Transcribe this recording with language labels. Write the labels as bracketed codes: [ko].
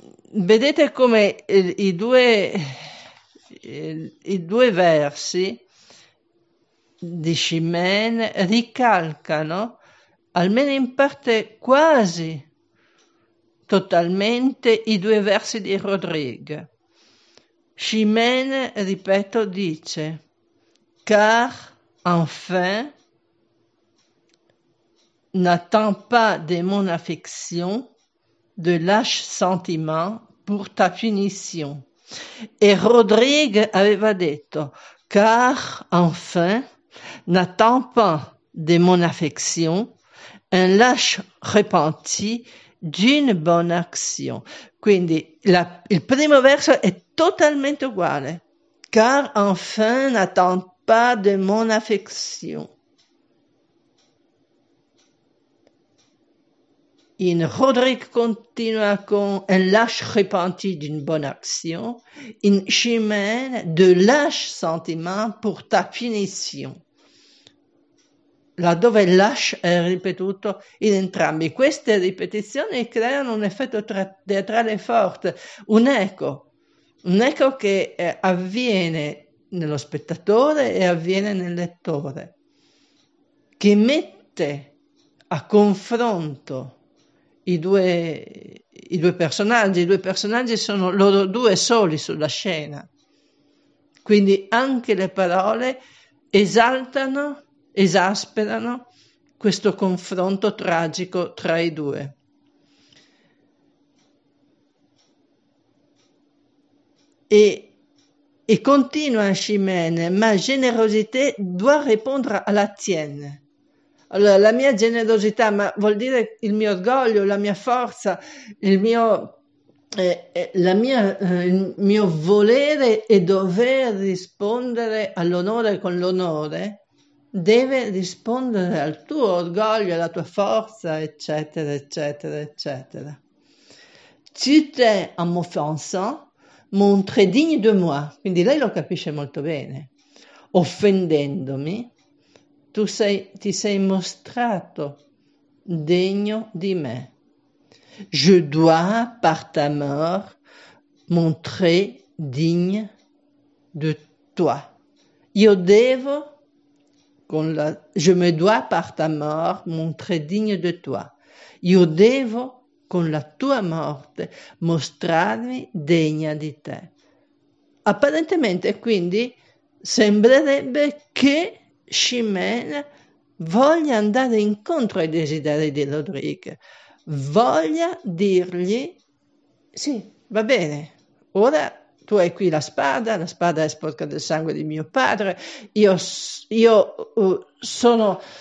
[it] Vedete come i due versi di Chimène ricalcano, almeno in parte quasi totalmente, i due versi di Rodrigue. Chimène, ripeto, dice: [fr] Car enfin, n'attends pas de mon affection de lâches sentiments pour ta punition. [it] E Rodrigue aveva detto: [fr] Car enfin, n'attends pas de mon affection un lâche repenti d'une bonne action. [it] Quindi il primo verso è totalmente uguale. [fr] Car enfin, n'attends pas de mon affection. [it] In Roderick continua con [fr] un lâche repenti d'une bonne action, [it] in Chimène [fr] de lâche sentiment pour ta punition. [it] Laddove lâche è ripetuto in entrambi. Queste ripetizioni creano un effetto teatrale forte, un eco che avviene nello spettatore e avviene nel lettore, che mette a confronto i due personaggi sono loro due soli sulla scena. Quindi anche le parole esaltano, esasperano questo confronto tragico tra i due. E continua Chimène, [fr] ma générosité doit répondre à la tienne. [it] Allora, la mia generosità, ma vuol dire il mio orgoglio, la mia forza, il mio volere e dover rispondere all'onore con l'onore, deve rispondere al tuo orgoglio, alla tua forza, eccetera, eccetera, eccetera. [fr] Tu t'es, en m'offensant, montré digne de moi. [it] Quindi lei lo capisce molto bene, offendendomi. Ti sei mostrato degno di me. [fr] Je dois, par ta mort, montrer digne de toi. [it] Io devo, [fr] Je me dois par ta mort montrer digne de toi. [it] Io devo, con la tua morte, mostrarmi degna di te. Apparentemente, quindi, sembrerebbe che Chimène voglia andare incontro ai desideri di Lodrigue, voglia dirgli: sì, va bene, ora tu hai qui la spada è sporca del sangue di mio padre, io sono